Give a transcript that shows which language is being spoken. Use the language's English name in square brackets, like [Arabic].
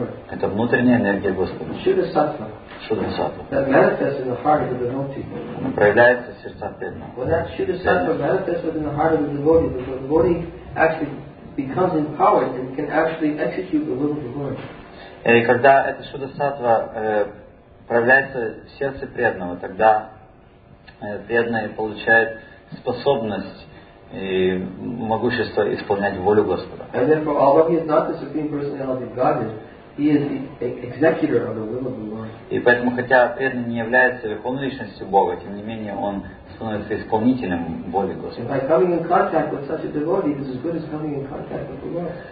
[Russian] Это внутренняя энергия Господа. Шудра Сатва. Она проявляется в сердцах преданных. [English] Well, that Shuddha Sattva manifests within the heart of the devotee, because the devotee actually becomes empowered and can actually execute the will of the Lord. [Russian] И когда эта шудасатва проявляется в сердце преданного, тогда преданный получает способность и могущество исполнять волю Господа. И поэтому, хотя преданный не является верховной личностью Бога, тем не менее он становится исполнителем воли Господа.